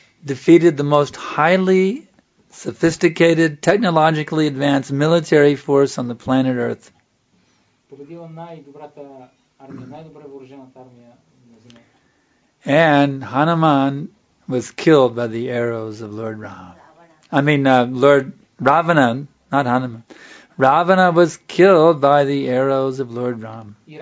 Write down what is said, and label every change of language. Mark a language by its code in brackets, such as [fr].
[en] Defeated the most highly sophisticated, technologically advanced military force on the planet Earth. [bg] Победила най-добрата армия, най-добре въоръжената армия. [en] And Hanuman was killed by the arrows of Lord Ram. Lord Ravana, not Hanuman. Ravana was killed by the arrows of Lord Ram.